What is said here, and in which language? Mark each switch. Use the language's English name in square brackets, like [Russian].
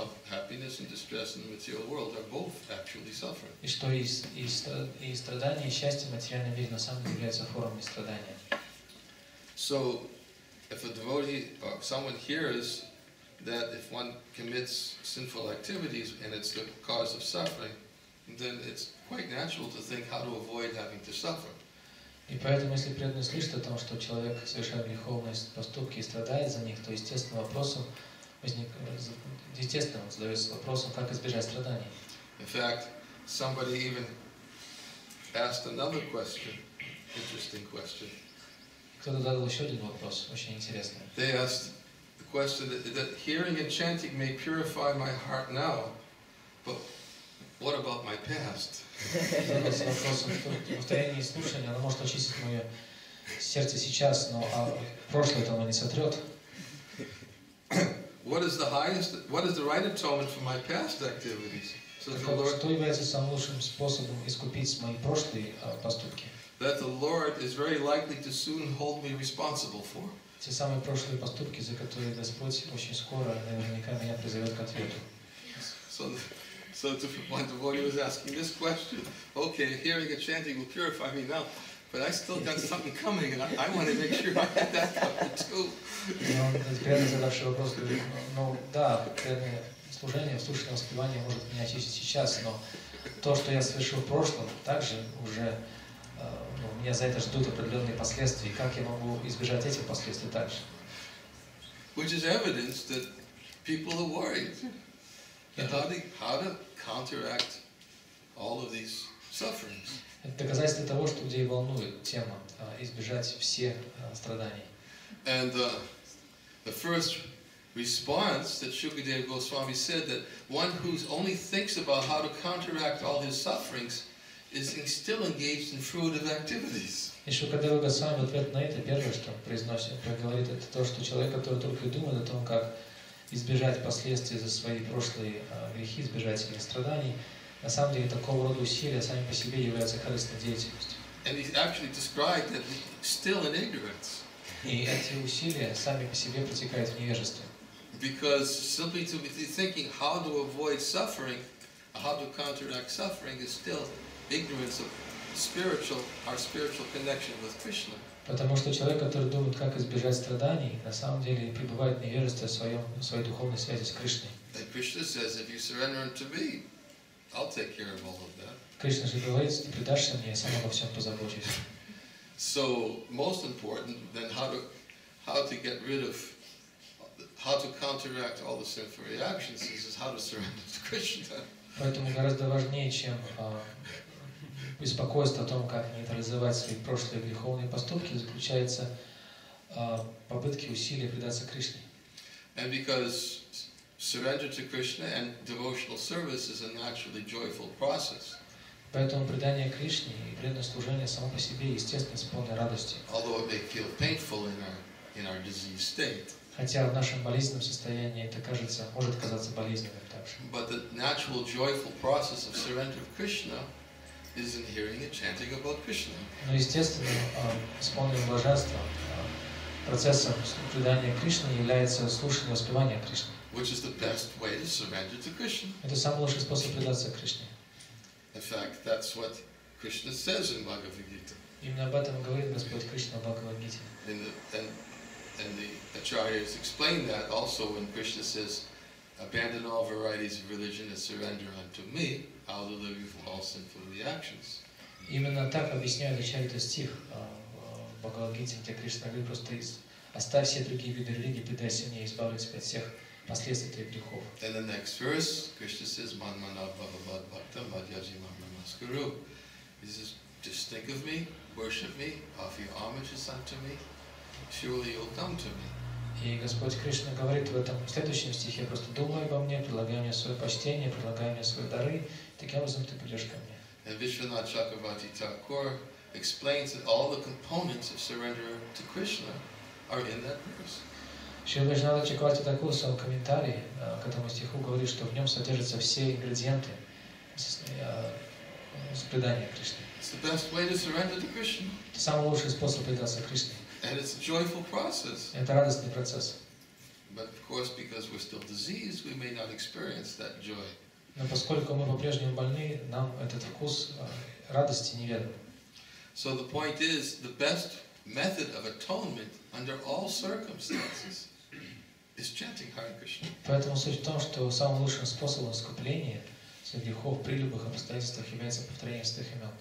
[English] happiness and distress in the material world are both actually suffering. [Russian] И что и страдания, и счастье в материальном мире на самом деле являются формами страдания. [English] So, if a devotee or someone hears that if one commits sinful activities and it's the cause of suffering, then it's quite natural to think how to avoid having to suffer. [Russian] И поэтому, если преданный слышит о том, что человек совершает греховные поступки и страдает за них, то естественным задается вопросом, как избежать страданий. [English] In fact, somebody even asked another question, interesting question. [Russian] Кто-то задал еще один вопрос, очень интересный. [English] They asked the question that hearing and chanting may purify my heart now, but What about my past? [Russian] Задался вопросом, что повторение и слушание, оно может очистить мое сердце сейчас, но а прошлое оно не сотрет. [English] What is the right atonement for my past activities? [Russian] Что является самым лучшим способом искупить мои прошлые поступки? [English] That the Lord is very likely to soon hold me responsible for. [Russian] Те самые прошлые поступки, за которые Господь очень скоро, наверняка, меня призовет к ответу. [English] So my devotee was asking this question. Okay, hearing a chanting will purify me now, but I still got something coming, and I want to make sure I get that coming too. [Russian] Теперь задавший вопрос говорит: ну да, преданное служение, слушание, воспевание может меня очистить сейчас, но то, что я совершил в прошлом, также уже меня за это ждут определенные последствия. Как я могу избежать этих последствий также? [English] Which is evidence that people are worried. How to counteract all of these sufferings? [Russian] Это доказательство того, что людей волнует тема избежать всех страданий. [English] And the first response that Shukadeva Goswami said that one who only thinks about how to counteract all his sufferings is still engaged in fruitive activities. [Russian] И Шукадева Госвами в ответ на это первое, что произносит, говорит, это то, что человек, который только думает о том, как избежать последствий за свои прошлые грехи, избежать этих страданий, на самом деле такого рода усилия сами по себе являются корыстной деятельностью. И эти усилия сами по себе протекают в невежестве. [English] Because simply to be thinking how to avoid suffering, how to counteract suffering is still ignorance of our spiritual connection with Krishna. [Russian] Потому что человек, который думает, как избежать страданий, на самом деле пребывает в невежестве своей духовной связи с Кришной. [English] Krishna says, if you surrender unto me, I'll take care of all of that. [Russian] Кришна же говорит, если ты предашься мне, я сам обо всем позабочусь. [English] So most important then how to get rid of how to counteract all the sinful reactions is how to surrender to Krishna. [Russian] Поэтому гораздо важнее, чем беспокойство о том, как нейтрализовать свои прошлые греховные поступки, заключается попытки усилия предаться Кришне. [English] And because surrender to Krishna and devotional service is a naturally joyful process. [Russian] Поэтому предание Кришне и преданное служение само по себе естественно с полной радостью. [English] Although it may feel painful in our diseased state. [Russian] Хотя в нашем болезненном состоянии это кажется, может казаться болезненным также. [English] But the natural joyful process of surrender to Krishna is in hearing a chanting about Krishna. [Russian] Но естественно, с полным блаженством процессом предания Кришне является слушание воспевания Кришны. [English] Which is the best way to surrender to Krishna? [Russian] Это самый лучший способ предаться Кришне. [English] In fact, that's what Krishna says in Bhagavad Gita. [Russian] Именно об этом говорит Господь Кришна в Бхагавад Гите. [English] And the acharyas explain that also when Krishna says, abandon all varieties of religion and surrender unto me, I'll deliver you from all sinful reactions. [Russian] Именно так объясняют ачарьи стих в Бхагавад Гите, где Кришна говорит, просто оставь все другие виды религии, предайся мне, избавлю тебя от всех последствий твоих грехов. [English] And the next verse, Krishna says, [Sanskrit] man mana bhavabhad bhakta madhyaji mahamaskaru. [English] He says, just think of me, worship me, offer your homages unto me, surely you'll come to me. [Russian] И Господь Кришна говорит в этом следующем стихе, просто думай обо мне, предлагай мне свое почтение, предлагай мне свои дары, таким образом ты придешь ко мне. [English] And Vishwanath Chakravarti Thakur explains that all the components of surrender to Krishna are in that verse. [Russian] Шрила Вайшнава Чакравати Такур в своем комментарии к этому стиху говорит, что в нем содержатся все ингредиенты с предания Кришне. [English] It's the best way to surrender to Krishna. [Russian] Это самый лучший способ предаться Кришне. [English] And it's a joyful process. [Russian] Это радостный процесс. [English] But of course, because we're still diseased, we may not experience that joy. [Russian] Но поскольку мы по-прежнему больны, нам этот вкус радости неведом. [English] So the point is, the best method of atonement under all circumstances is chanting Hare Krishna. [Russian] Поэтому суть в том, что самым лучшим способом искупления своих грехов при любых обстоятельствах является повторение святых имен.